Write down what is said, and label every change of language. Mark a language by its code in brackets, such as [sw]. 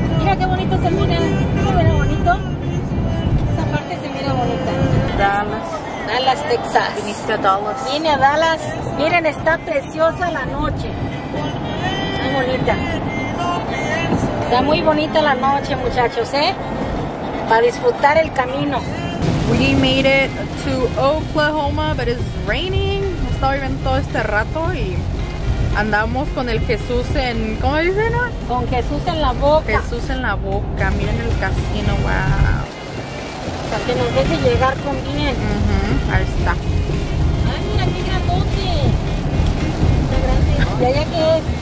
[es] Mira qué bonito se mira. ¿Se mira bonito? Esa parte se mira bonita. Dallas, Texas. Viniste a Dallas. Vine a Dallas. Miren, está preciosa la noche. Bonita. Está muy bonita la noche, muchachos, para disfrutar el camino. [en] We made it to Oklahoma, but it's raining. [es] Estaba lloviendo todo este rato y andamos con el Jesús en, ¿cómo dicen? Con Jesús en la boca. Jesús en la boca. Miren el casino, wow. Para que nos deje llegar con bien. Uh-huh. Ahí está. Ay, mira qué grandote. ¿Y allá qué es?